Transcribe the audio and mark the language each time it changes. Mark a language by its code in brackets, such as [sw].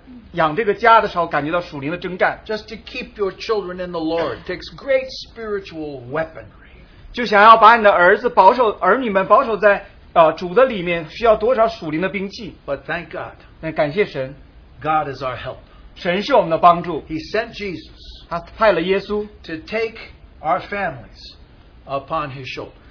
[zh] 那我们在座的每一个有没有感觉到你养这个家的时候感觉到属灵的征战？ [en] Just to keep your children in the Lord takes great spiritual weaponry. [zh] 就想要把你的儿子保守，儿女们保守在主的里面，需要多少属灵的兵器？ [en] But thank God. [zh] 感谢神。 [en] God is our help. [zh] 神是我们的帮助。 [en] He sent Jesus. [zh] 他派了耶稣。 [en] To take our families upon His shoulders.